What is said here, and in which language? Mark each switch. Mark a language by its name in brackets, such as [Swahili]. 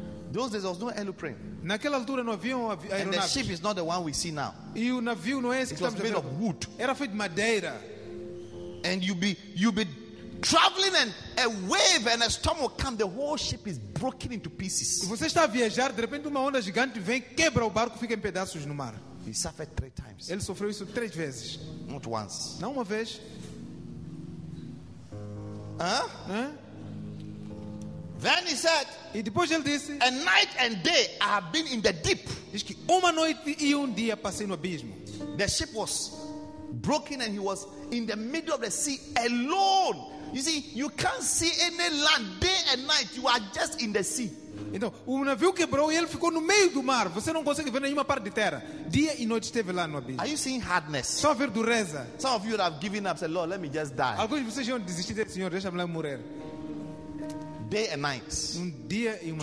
[English] Those days there was no aeroplane. [Portuguese] Naquela altura não havia aeronaves. [English] And the ship is not the one we see now. [Portuguese] E o navio não é esse que [English] it was made of wood. [Portuguese] Era feito de madeira. [English] And you be traveling and a wave and a storm will come, the whole ship is broken into pieces. [Portuguese] E você está a viajar, de repente uma onda gigante vem, quebra o barco, fica em pedaços no mar. [English] He suffered 3 times. [Portuguese] Ele sofreu isso 3 vezes. [English] Not once. [Portuguese] Não uma vez. [English] Then he said, [Portuguese] e depois ele disse, [English] a night and day I have been in the deep. [Portuguese] Diz que uma noite e dia passei no abismo. [English] The ship was broken and he was in the middle of the sea alone. You see, you can't see any land day and night. You are just in the sea. [Portuguese] Então, o navio quebrou e ele ficou no meio do mar. Você não consegue ver nenhuma parte de terra. Dia e noite esteve lá no abismo. [English] Are you seeing hardness? [Portuguese] Só ver dureza. [English] Some of you have given up, said, "Lord, let me just die." [Portuguese] Alguns de vocês já desistiram, Senhor, deixa-me lá morrer. [English] Day and night. [Portuguese] Dia e uma